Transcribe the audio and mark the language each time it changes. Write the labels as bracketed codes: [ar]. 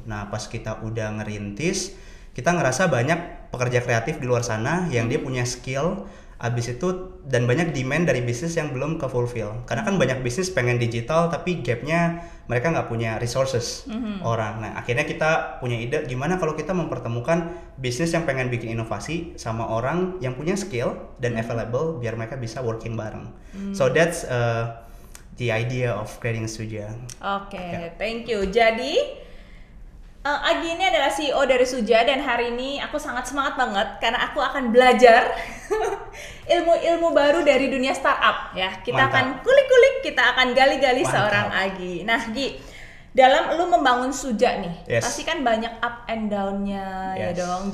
[id] Nah, pas kita udah ngerintis, kita ngerasa banyak pekerja kreatif di luar sana yang dia punya skill, abis itu dan banyak demand dari bisnis yang belum ke fulfill. Karena kan banyak bisnis pengen digital tapi gapnya mereka nggak punya resources orang. Nah, akhirnya kita punya ide gimana kalau kita mempertemukan bisnis yang pengen bikin inovasi sama orang yang punya skill dan available biar mereka bisa working bareng. [en] So that's the idea of creating a studio. Okay, yeah. Thank you. [id] Jadi Agi ini adalah CEO dari Suja dan hari ini aku sangat semangat banget karena aku akan belajar ilmu-ilmu baru dari dunia startup ya. Kita Mantap. Akan kulik-kulik, kita akan gali-gali Mantap. Seorang Agi. Nah, Gi, dalam lu membangun Suja nih, pasti kan banyak up and down-nya ya dong.